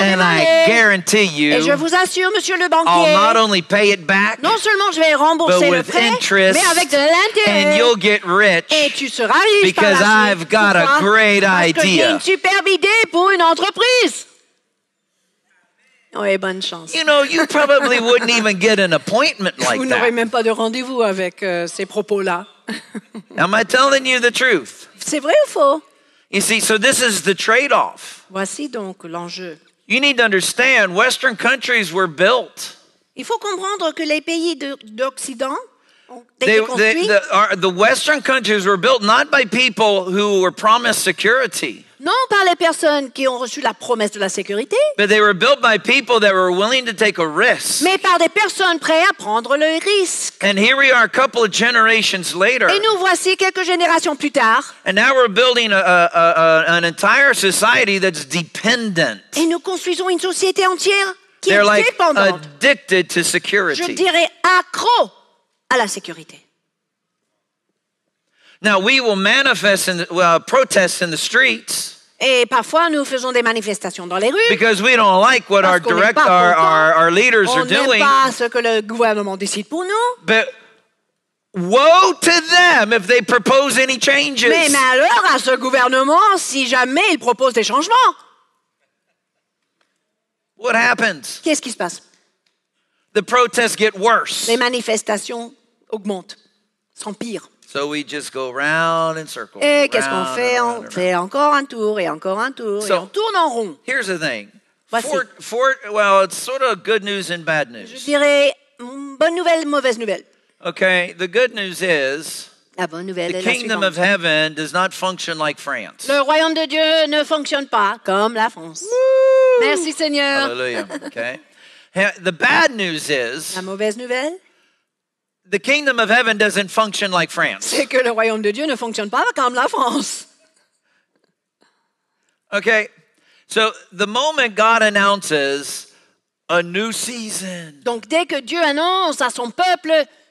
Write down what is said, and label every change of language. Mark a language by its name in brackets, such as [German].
[English] and I guarantee you, [French] et je vous assure, monsieur le banquier, [English] I'll not only pay it back, [French] non seulement je vais rembourser [English] but with [French] le prêt, [English] interest, [French] mais avec de l'intérêt, [English] and you'll get rich [French] et tu seras riche [English] because [French] par la [English] I've suite. Got [French] pourquoi? [English] A great idea. [French] Parce que j'ai une superbe idée pour une entreprise. Oui, bonne chance. [English] You know, you probably wouldn't even get an appointment like [French] vous [English] that. [French] N'aurez même pas de rendez-vous avec ces propos-là. [English] Am I telling you the truth? [French] C'est vrai ou faux? [English] You see, so this is the trade-off. [French] Voici donc l'enjeu. [English] You need to understand, Western countries were built. [French] Il faut comprendre que les pays d'Occident [English] the Western countries were built not by people who were promised security. [French] Non par les personnes qui ont reçu la promesse de la sécurité. [English] But they were built by people that were willing to take a risk. [French] Mais par des personnes prêtes à prendre le risque. [English] And here we are a couple of generations later. [French] Et nous voici quelques générations plus tard. [English] And now we're building an entire society that's dependent. [French] Et nous construisons une société entière qui [English] they're [French] est [English] like [French] dépendante. [English] Addicted to security. [French] Je dirais accro. À la sécurité. [English] Now we will manifest in the, protest in the streets. [French] Et parfois nous faisons des manifestations dans les rues. [English] Because we don't like what our direct our leaders [French] on [English] are doing. [French] On n'aime pas ce que le gouvernement décide pour nous. [English] But woe to them if they propose any changes. [French] Mais malheur à ce gouvernement si jamais il propose des changements. [English] What happens? [French] Qu'est-ce qui se passe? [English] The protests get worse. [French] Les manifestations augmentent, s'empirent. [English] So we just go round in circles. [French] Et qu'est-ce qu'on fait? On fait encore un tour et encore un tour [English] so, [French] et on tourne en rond. [English] Here's the thing. [French] Voici. [English] Well, it's sort of good news and bad news. [French] Je dirais bonne nouvelle, mauvaise nouvelle. [English] Okay, the good news is [French] la bonne nouvelle [English] the kingdom [French] la [English] of heaven does not function like France. [French] Le royaume de Dieu ne fonctionne pas comme la France. Woo! Merci Seigneur. [English] Hallelujah. Okay. The bad news is [French] la mauvaise nouvelle, [English] the kingdom of heaven doesn't function like France. [French] C'est que le royaume de Dieu ne fonctionne pas comme la France. [English] Okay, so the moment God announces a new season, [French] donc dès que Dieu annonce à son peuple